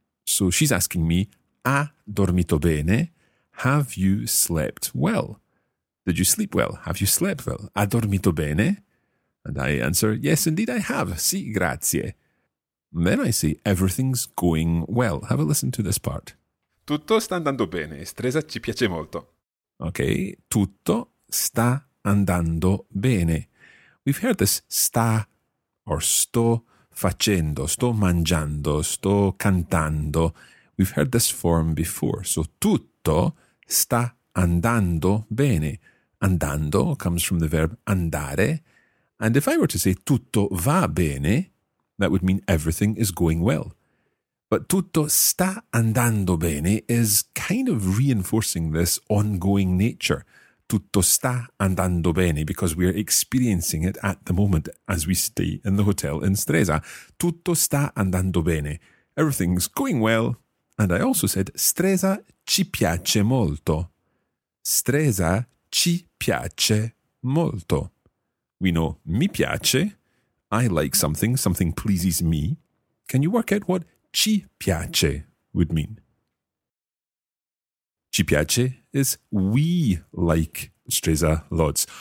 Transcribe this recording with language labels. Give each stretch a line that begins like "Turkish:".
English: So she's asking me,
Italian: ha dormito bene?
English: Have you slept well? Did you sleep well? Have you slept well?
Italian: Ha dormito bene?
English: And I answer, yes, indeed I have.
Italian: Sì, grazie.
English: And then I say, everything's going well. Have a listen to this part.
Italian: Tutto sta andando bene. Stresa ci piace molto. Okay, tutto sta andando bene.
English: We've heard this sta or
Italian: sto facendo, sto mangiando, sto cantando.
English: We've heard this form before.
Italian: So tutto sta andando bene.
English: Andando comes from the verb andare. And if I were to say
Italian: tutto va bene,
English: that would mean everything is going well. But
Italian: tutto sta andando bene
English: is kind of reinforcing this ongoing nature.
Italian: Tutto sta andando bene,
English: because we are experiencing it at the moment as we stay in the hotel in Stresa.
Italian: Tutto sta andando bene.
English: Everything's going well. And I also said,
Italian: Stresa ci piace molto. Stresa ci piace molto.
English: We know mi piace, I like something, something pleases me. Can you work out what ci piace would mean?
Italian: Ci piace
English: is we like Stresa lots.